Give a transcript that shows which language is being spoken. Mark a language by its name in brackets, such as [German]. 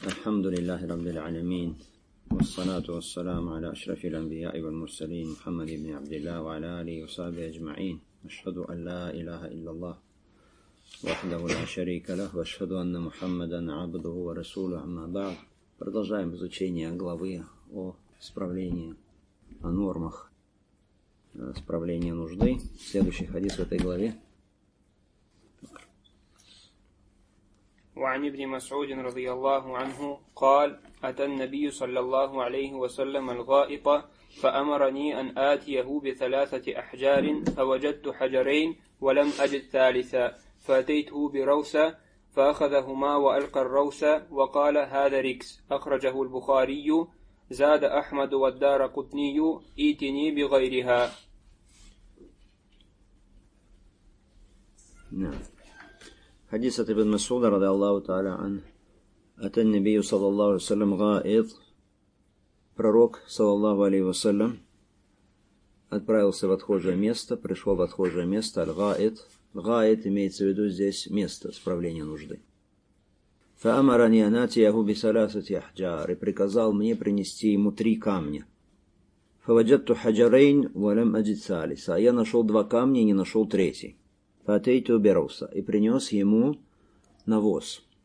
[Arabic] الحمد لله رب العالمين والصلاة والسلام على أشرف الأنبياء والمرسلين محمد بن عبد الله وعلى آله وصحبه أجمعين. أشهد أن لا إله إلا الله وحده لا شريك له وأشهد أن محمدا عبده ورسوله. أما بعد, [Russian] продолжаем изучение главы о справлении, о нормах справления нужды. Следующий хадис в этой главе. [Arabic] وعن ابن مسعود رضي الله عنه قال أتى النبي صلى الله عليه وسلم الغائط فأمرني أن آتيه بثلاثة أحجار فوجدت حجرين ولم أجد ثالثا فأتيته بروسة فأخذهما وألقى الروسة وقال هذا ركس. أخرجه البخاري. زاد أحمد والدارقطني إيتني بغيرها. نعم. حديث ابن مسعود رضي الله تعالى عنه أتى النبي صلى الله عليه وسلم غائط пророк صلى الله عليه وسلم [Russian] отправился в отхожее место, [Arabic] пришел в отхожее место, аль-гаит. [Russian] Гаит имеется в виду здесь место справления нужды. [Arabic] فأمرني أن آتيه بثلاثة أحجار, [Russian] и приказал мне принести ему три камня. [Arabic] فوجدت حجرين ولم أجد ثالثا, [Russian] а я нашел два камня и не нашел третий. [Arabic] Фатейту беруса, [Russian] и принес ему навоз.